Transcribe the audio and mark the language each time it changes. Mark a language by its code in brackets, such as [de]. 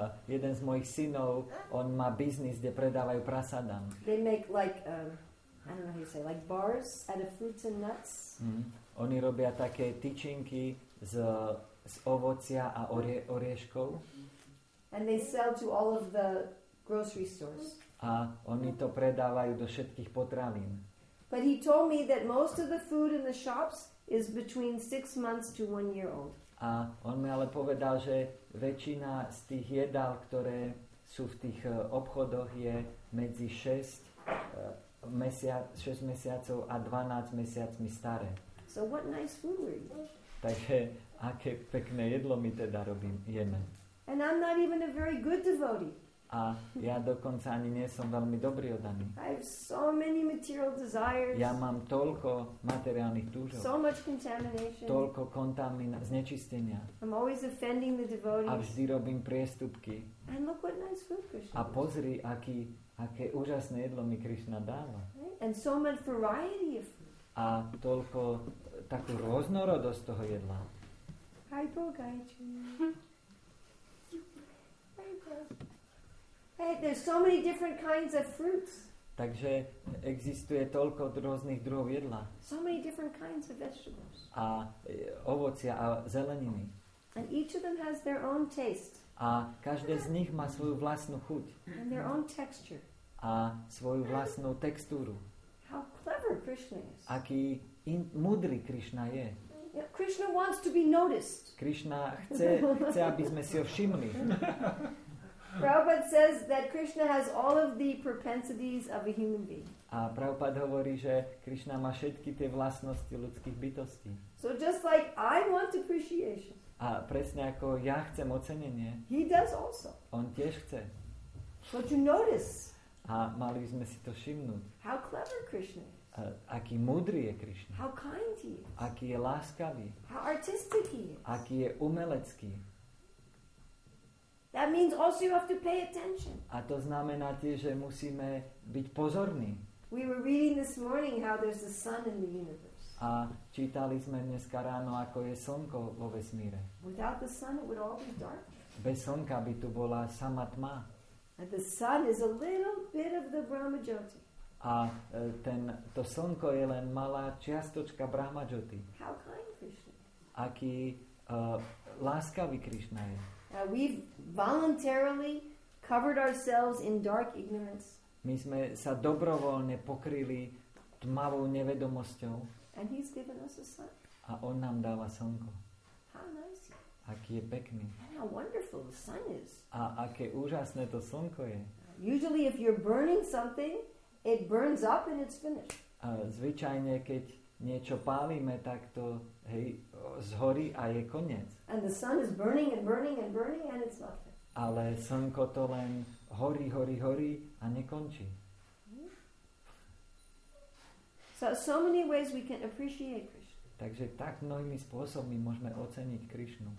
[sk] Jeden z mojich synov, on má biznis, kde predávajú prasadam. [en] They make like, I don't know how you say, like bars out of fruits and nuts. [sk] Oni robia také tyčinky z ovocia a orieškov. [en] And they sell to all of the grocery stores. [sk] A oni to predávajú do všetkých potravín. [en] But he told me that most of the food in the shops is between 6 months to 1 year old. [sk] A on mi ale povedal, že väčšina z tých jedál, ktoré sú v tých obchodoch, je medzi 6 mesiacov a 12 mesiacmi staré. [en] So what nice food were you? [sk] Takže aké pekné jedlo my teda jeme. [en] And I'm not even a very good devotee. [sk] A ja dokonca ani nie som veľmi dobrý oddaný. [en] I have so many material desires. [sk] Ja mám toľko materiálnych túžob. [en] So much contamination. [sk] Toľko znečistenia. [en] I'm always offending the devotees. [sk] A vždy robím priestupky. [en] And look what nice food Krishna. [sk] A pozri, aké úžasné jedlo mi Krishna dáva. [en] And so much variety of food. [sk] A toľko takú rôznorodosť toho jedla. [en] Hi, Bogaichi. Hey, there's so many different kinds of fruits. [sk] Takže existuje toľko rôznych druhov jedla. [en] So many different kinds of vegetables. [sk] A ovocia a zeleniny. [en] And each of them has their own taste. [sk] A každé z nich má svoju vlastnú chuť. [en] And their own texture. [sk] A svoju vlastnú textúru. [en] How clever Krishna is. [sk] Aký múdry Krishna je. [en] Yeah, Krishna wants to be noticed. [sk] Krishna chce aby sme si ho všimli. [en] Prabhupada says that Krishna has all of the propensities of a human being. [sk] A Prabhupada hovorí, že Krishna má všetky tie vlastnosti ľudských bytostí. [en] So just like I want appreciation. [sk] A presne ako ja chcem ocenenie. [en] He does also. [sk] On tiež chce. [en] So to notice. [sk] A mali sme si to všimnúť. [en] How clever Krishna is. [sk] Aký múdry je Krishna. [en] How kind he is. [sk] Aký je láskavý. [en] How artistic he is. [sk] Aký je umelecký. [en] That means also you have to pay attention. [sk] A to znamená tie, že musíme byť pozorní. [en] We were reading this morning how there's a sun in the universe. [sk] A čítali sme dneska ráno, ako je slnko vo vesmíre. [en] Without the sun it would all be dark. [sk] Bez slnka by tu bola sama tma. [en] And the sun is a little bit of the Brahmajyoti. [sk] A to slnko je len malá čiastočka Brahmajyoti. [en] How kind Krishna. [sk] Aký láskavý Krishna je. [en] We've voluntarily covered ourselves in dark ignorance. [sk] My sme sa dobrovoľne pokryli tmavou nevedomosťou. [en] And he's given us a sun. [sk] A on nám dáva slnko. [en] How nice. [sk] Aký je pekný. [en] How wonderful the sun is. [sk] A aké úžasné to slnko je. [en] Usually if you're burning something, it burns up and it's finished. [sk] Zvyčajne, keď niečo pálime, tak to zhorí a je koniec. [en] And the sun is burning and burning and burning and it's not finished. [sk] Ale slnko to len horí a nekončí. [en] So many ways we can appreciate Krishna. [sk] Takže tak mnohými spôsobmi môžeme oceniť Krishnu.